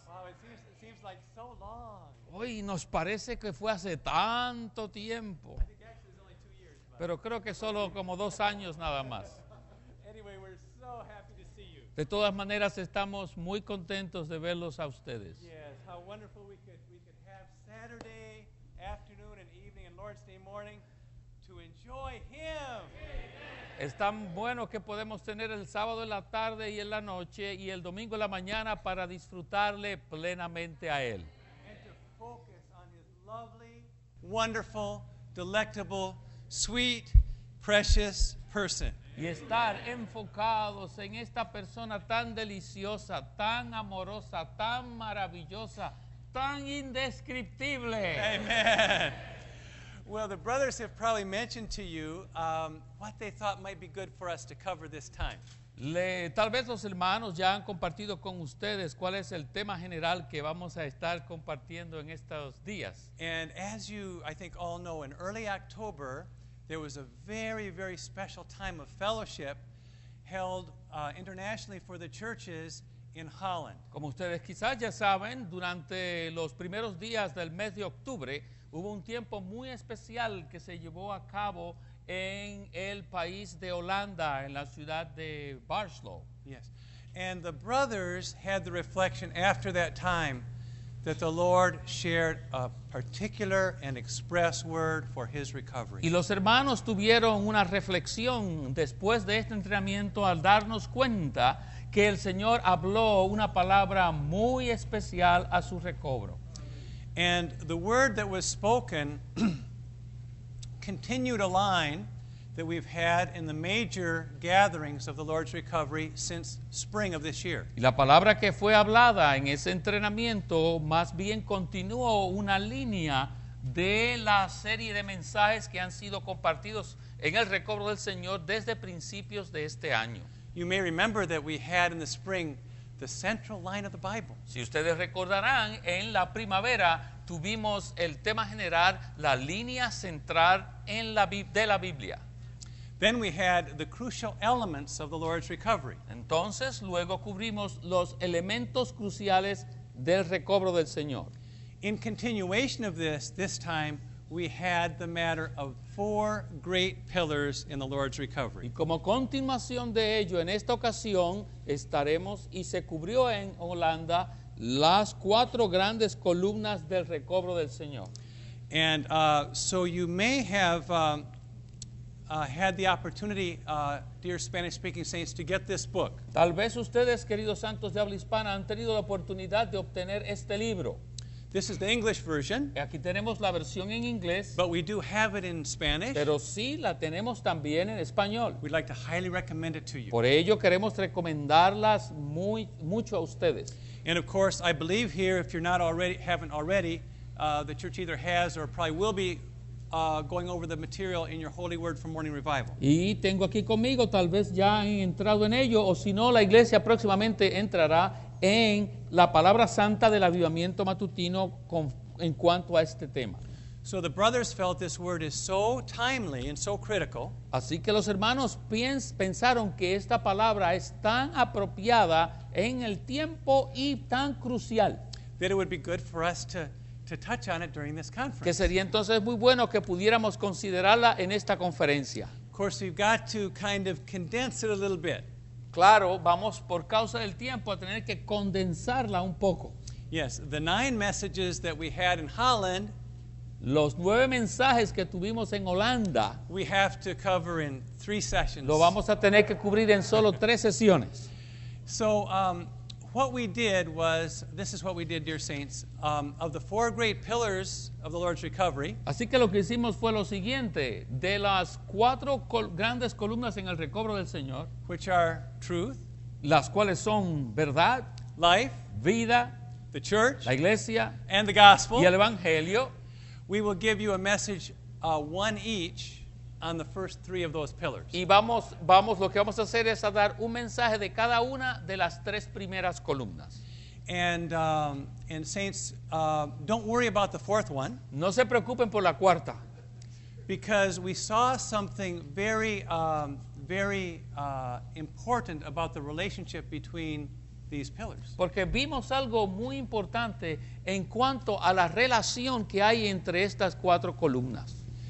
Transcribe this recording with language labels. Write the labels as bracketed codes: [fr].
[en] Wow, it seems like so long. [es] Hoy nos parece que fue hace tanto tiempo, pero creo que solo como 2 años nada más. [en] Anyway, we're so happy to see you. [es] De todas maneras, estamos muy contentos de verlos a ustedes. [en] Yes, how wonderful we could have Saturday afternoon and evening and Lord's Day morning to enjoy Him. [es] Es tan bueno que podemos tener el sábado en la tarde y en la noche y el domingo en la mañana para disfrutarle plenamente a Él. [en] And to focus on His lovely, wonderful, delectable, sweet, precious person. [es] Y estar enfocados en esta persona tan deliciosa, tan amorosa, tan maravillosa, tan indescriptible. [en] Amen. Well, the brothers have probably mentioned to you what they thought might be good for us to cover this time. [es] Tal vez los hermanos ya han compartido con ustedes cuál es el tema general que vamos a estar compartiendo en estos días. [en] And as you, I think, all know, in early October, there was a very, very special time of fellowship held internationally for the churches in Holland. [es] Como ustedes quizás ya saben, durante los primeros días del mes de octubre, hubo un tiempo muy especial que se llevó a cabo en el país de Holanda, en la ciudad de Barlo. [en] Yes. And the brothers had the reflection after that time that the Lord shared a particular and express word for his recovery. [es] Y los hermanos tuvieron una reflexión después de este entrenamiento al darnos cuenta que el Señor habló una palabra muy especial a su recobro. [en] And the word that was spoken continued a line that we've had in the major gatherings of the Lord's recovery since spring of this year. [es] Y la palabra que fue hablada en ese entrenamiento más bien continuó una línea de la serie de mensajes que han sido compartidos en el recobro del Señor desde principios de este año. [en] You may remember that we had in the spring the central line of the Bible. [es] Si ustedes recordarán, en la primavera tuvimos el tema general, la línea central en la de la Biblia. [en] Then we had the crucial elements of the Lord's recovery. [es] Entonces, luego cubrimos los elementos cruciales del recobro del Señor. [en] In continuation of this time we had the matter of 4 great pillars in the Lord's recovery. [es] Y como continuación de ello, en esta ocasión estaremos y se cubrió en Holanda las 4 grandes columnas del recobro del Señor. [en] And so you may have had the opportunity, dear Spanish-speaking saints, to get this book. [es] Tal vez ustedes, queridos santos de habla hispana, han tenido la oportunidad de obtener este libro. [en] This is the English version. [es] Aquí tenemos la versión en inglés. [en] But we do have it in Spanish. [es] Pero sí la tenemos también en español. [en] We'd like to highly recommend it to you. [es] Por ello queremos recomendarlas muy mucho a ustedes. [en] And of course, I believe here, if you're not already, haven't already, the church either has or probably will be going over the material in your Holy Word for Morning Revival. [es] Y tengo aquí conmigo, tal vez ya han entrado en ello, o si no, la iglesia próximamente entrará en la palabra santa del avivamiento matutino en cuanto a este tema. [en] So the brothers felt this word is so timely and so critical. [es] Así que los hermanos pensaron que esta palabra es tan apropiada en el tiempo y tan crucial. [en] That it would be good for us to touch on it during this conference. [es] Que sería entonces muy bueno que pudiéramos considerarla en esta conferencia. [en] Of course, we've got to kind of condense it a little bit. [es] Claro, vamos por causa del tiempo a tener que condensarla un poco. [en] Yes, the 9 messages that we had in Holland, [es] los 9 mensajes que tuvimos en Holanda, [en] we have to cover in 3 sessions. [es] Lo vamos a tener que cubrir en solo 3 sesiones. [en] So, what we did was, this is what we did, dear saints, of the 4 great pillars of the Lord's recovery. [es] Así que lo que hicimos fue lo siguiente, de las 4 grandes columnas en el recobro del Señor, [en] which are truth, [es] las cuales son verdad, [en] life, [es] vida, [en] the church, [es] la iglesia, [en] and the gospel, [es] y el evangelio, [en] we will give you a message, one each, on the first 3 of those pillars. [es] Y vamos lo que vamos a hacer es a dar un mensaje de cada una de las 3 primeras columnas. [en] And saints, don't worry about the fourth one. [es] No se preocupen por la cuarta. [en] Because we saw something very, very important about the relationship between these pillars. [es] Porque vimos algo muy importante en cuanto a la relación que hay entre estas cuatro columnas.